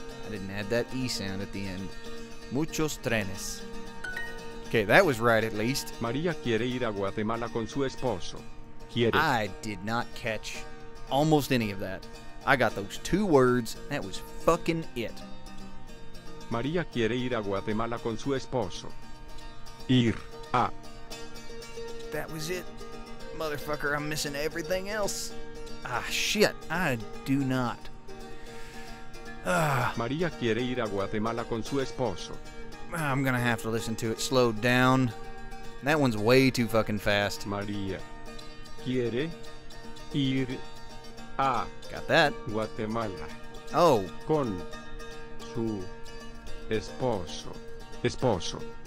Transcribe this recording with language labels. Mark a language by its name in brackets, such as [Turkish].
[English] I didn't add that E sound at the end. [Spanish] Muchos trenes. [English] Okay, that was right at least. [Spanish] María quiere ir a Guatemala con su esposo. Quiere. [English] I did not catch almost any of that. I got those two words. That was fucking it. [Spanish] María quiere ir a Guatemala con su esposo. Ir a. [English] That was it. Motherfucker, I'm missing everything else. Ah, shit. I do not. [Spanish] María quiere ir a Guatemala con su esposo. [English] I'm gonna have to listen to it slowed down. That one's way too fucking fast. [Spanish] María quiere ir a [English] Got that. [Spanish] Guatemala. Oh. Con su esposo. Esposo.